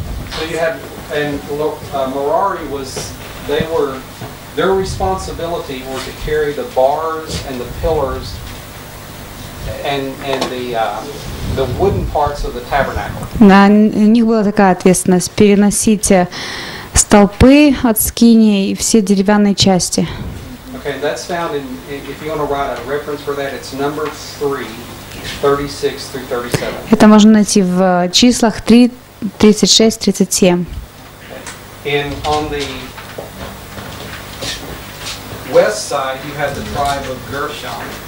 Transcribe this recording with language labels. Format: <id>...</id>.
<en>So you had, and Merari was, they were. Their responsibility was to carry the bars and the pillars and the wooden parts of the tabernacle.</en> <ru>На них была такая ответственность переносить столпы от скинии и все деревянные части.</ru> <en>Okay, that's found in, if you want to write a reference for that, it's number 3, 36 through 37.</en> <ru>Это можно найти в числах 3, 36, 37.</ru> <en>And on the west side, you have the tribe of Gershon.</en>